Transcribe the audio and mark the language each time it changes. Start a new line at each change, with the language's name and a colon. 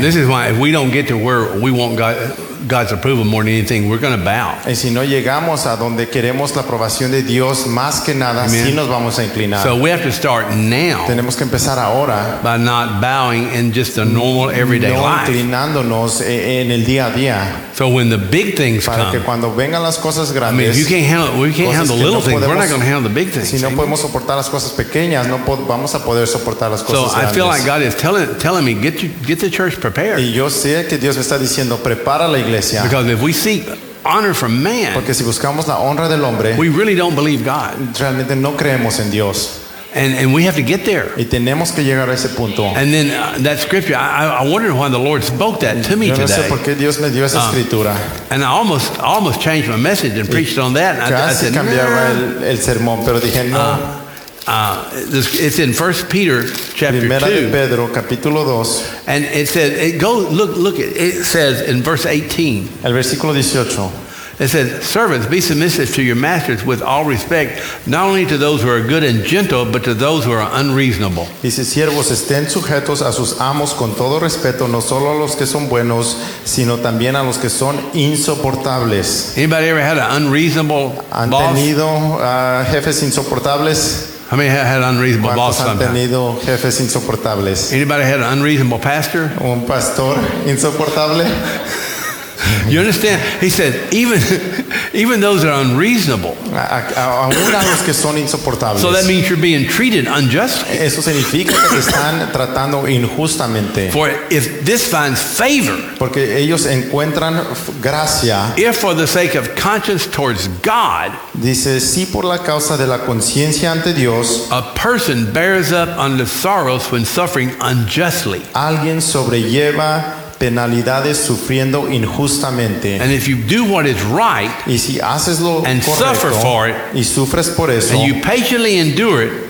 English: This is why if we don't get to where we want God's approval more than anything, we're going to bow.
Spanish: Y si no llegamos a donde queremos la aprobación de Dios más que nada, amen. Sí nos vamos a inclinar.
English: So we have to start now.
Spanish: Tenemos que empezar ahora.
English: By not bowing in just the normal everyday
Spanish: no
English: life.
Spanish: En el día a día.
English: So when the big things
Spanish: para
English: come,
Spanish: que cuando vengan las cosas grandes,
English: I mean, you can't handle, we can't handle the little things.
Spanish: Podemos,
English: we're not going to handle the big things.
Spanish: Si no podemos soportar las cosas pequeñas, no vamos a poder soportar las cosas
English: so
Spanish: grandes.
English: So I feel like God is telling me, get the church prepared.
Spanish: Y yo sé que Dios me está diciendo, prepara la iglesia.
English: Because if we seek honor from man,
Spanish: porque si buscamos la honra del hombre,
English: we really don't believe God.
Spanish: Realmente no creemos en Dios.
English: And we have to get there.
Spanish: Y tenemos que llegar a ese punto.
English: And then that scripture, I wondered why the Lord spoke that to me
Spanish: yo no
English: today.
Spanish: Sé por qué Dios me dio esa escritura.
English: And I almost changed my message and preached on that. And
Spanish: casi
English: I said,
Spanish: cambiaba el sermón, pero dije no.
English: It's in 1 Peter chapter 2.
Spanish: Primera de Pedro, capítulo 2.
English: And it says, it says in verse 18.
Spanish: El versículo 18.
English: It says, servants, be submissive to your masters with all respect, not only to those who are good and gentle, but to those who are unreasonable.
Spanish: Dice, siervos, estén sujetos a sus amos con todo respeto, no solo a los que son buenos, sino también a los que son insoportables.
English: Anybody ever had an unreasonable
Spanish: ¿Han
English: boss?
Spanish: Tenido, jefes insoportables?
English: How many had unreasonable bosses?
Spanish: ¿Cuántos han tenido jefes insoportables?
English: Anybody had an unreasonable pastor?
Spanish: ¿Un pastor insoportable?
English: You understand? He said, even those that are unreasonable. So that means you're being treated unjustly.
Spanish: Eso significa que están tratando injustamente.
English: For if this finds favor.
Spanish: Porque ellos encuentran gracia.
English: If for the sake of conscience towards God.
Spanish: Dice, si por la causa de la conciencia ante Dios.
English: A person bears up under sorrows when suffering unjustly.
Spanish: Alguien sobrelleva penalidades sufriendo injustamente.
English: And if you do what is right,
Spanish: y si haces lo
English: and
Spanish: correcto,
English: suffer for it,
Spanish: y sufres por eso,
English: and you patiently endure it,